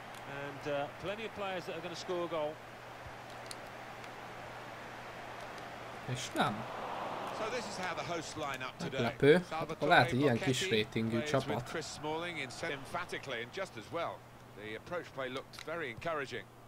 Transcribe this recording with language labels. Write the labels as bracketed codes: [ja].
[en] And plenty of players that are going to score a goal. [hu] És nem. [en] So this is how the host line up today. [hu] Meglepő. Akkor lehet, hogy ilyen kis rétingű csapat. [en] Chris Smalling in emphatically and just as well. The approach play looked very encouraging.